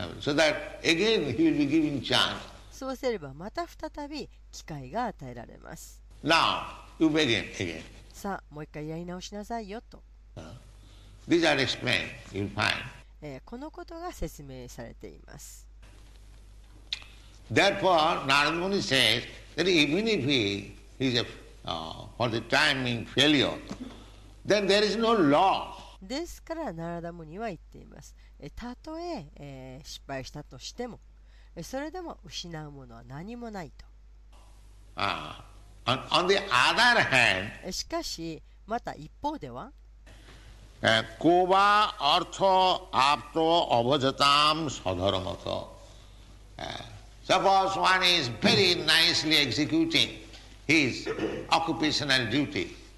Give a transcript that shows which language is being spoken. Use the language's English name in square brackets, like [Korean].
[English] so、that again he will be given chance. [Japanese] そうすればまた再び機会が与えられます。 [English] Now, you begin again. [Japanese] さあもう一回やり直しなさいよと、 [English] These are explained. You'll find. [Japanese] このことが説明されています。 [English] Therefore, Narada Muni says that even if he is a for the time being failureThen there is no loss. [Japanese] ですからナラダムニは言っています。たとえ、失敗したとしてもそれでも失うものは何もないと。 [English] On the other hand, [Japanese] しかしまた一方では、 [Sanskrit] コバアルトアプトアバジャタムサダラマト、 [English] Suppose one is very nicely executing his occupational duty.